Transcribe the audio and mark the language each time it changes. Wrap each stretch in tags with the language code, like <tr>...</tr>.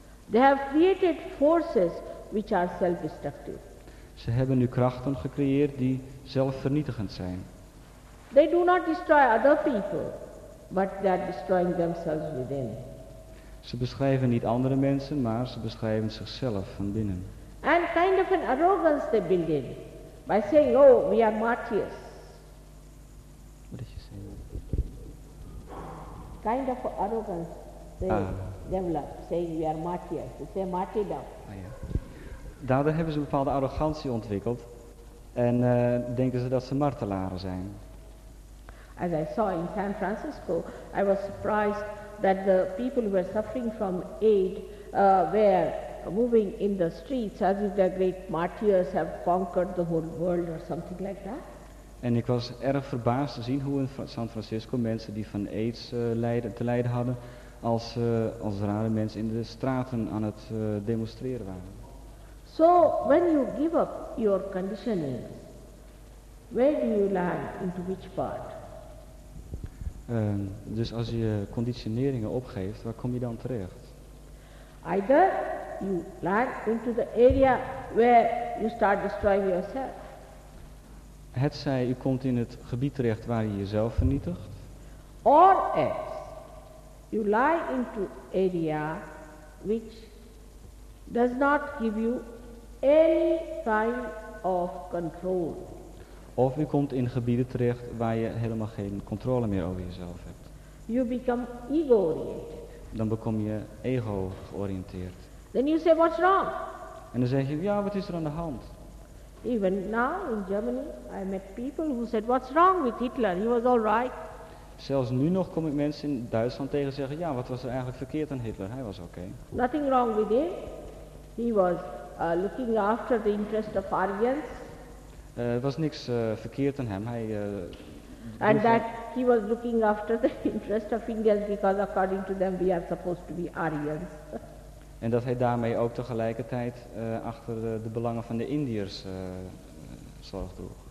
<en>They have created forces which are self-destructive.</en> <nl>Ze hebben nu krachten gecreëerd die zelfvernietigend zijn.</nl> <en>They do not destroy other people, but they are destroying themselves within.</en> <nl>Ze beschrijven niet andere mensen, maar ze beschrijven zichzelf van binnen.</nl> <en>And kind of an arrogance they build in. By saying, oh, we are martyrs. What did you say? Kind of arrogance they develop, saying we are martyrs. They say martyrdom. Ah, ja.</en> <nl>Daardoor hebben ze een bepaalde arrogantie ontwikkeld. En denken ze dat ze martelaren zijn.</nl> <en>As I saw in San Francisco, I was surprised that the people who were suffering from AIDS were moving in the streets as if their great martyrs have conquered the whole world or something like that.</en> <nl>En ik was erg verbaasd te zien hoe in San Francisco mensen die van AIDS te lijden hadden als rare mensen in de straten aan het demonstreren waren.</nl> <en>So when you give up your conditioning, where do you land, into which part?</en> <nl>Dus als je conditioneringen opgeeft, waar kom je dan terecht?</nl> <en>Either you land into the area where you start destroying yourself.</en> <nl>Het zij u komt in het gebied terecht waar je jezelf vernietigt.</nl> <en>Or else you lie into area which does not give you any kind of control.</en> <nl>Of u komt in gebieden terecht waar je helemaal geen controle meer over jezelf hebt.</nl> <en>You become ego-oriented.</en> <nl>Dan bekom je ego-georiënteerd.</nl> <en>Then you say, what's wrong?</en> <nl>En dan zeg je, ja, wat is er aan de hand?</nl> <en>Even now in Germany, I met people who said, what's wrong with Hitler? He was all right.</en> <nl>Zelfs nu nog kom ik mensen in Duitsland tegen zeggen, ja, wat was er eigenlijk verkeerd aan Hitler? Hij was oké.</nl> <en>Nothing wrong with him. He was looking after the interest of Aryans.</en> <nl>Er was niks verkeerd aan hem. Hij,</nl> <en>and that he was looking after the interest of Indians, because according to them we are supposed to be Aryans.</en> <nl>En dat hij daarmee ook tegelijkertijd achter de belangen van de Indiërs zorg droeg.</nl>